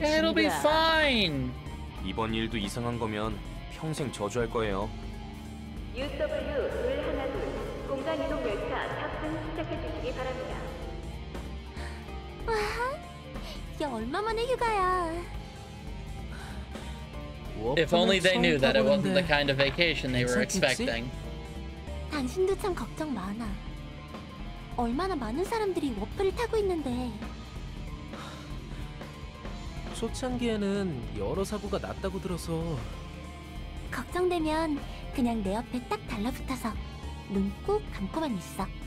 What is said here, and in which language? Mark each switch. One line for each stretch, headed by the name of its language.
Korean: 친구야.
English: It'll be fine.
Korean: 이번 일도 이상한 거면 평생 저주할 거예요. UW-112 공간이동 열차 탑승 시작해 주시기 바랍니다. 와, 이게 얼마만의 휴가야.
English: If only they knew that it wasn't the kind of vacation they were expecting.
Korean: 당신도 참 걱정 많아. 얼마나 많은 사람들이 워프를 타고 있는데. 초창기에는 여러 사고가 났다고 들어서. 걱정되면 그냥 내 옆에 딱 달라붙어서 눈 꼭 감고만 있어.